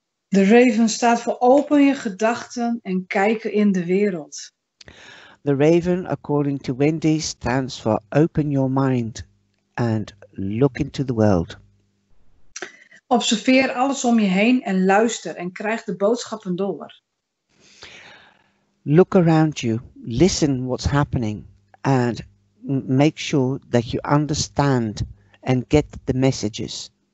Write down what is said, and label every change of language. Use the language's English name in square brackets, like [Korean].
[Dutch] De raven staat voor open je gedachten en kijken in de wereld. [English] The raven, according to Wendy, stands for open your mind and look into the world. [Dutch] Observeer alles om je heen en luister en krijg de boodschappen door. [English] Look around you, listen what's happening and make sure that you understand and get the messages.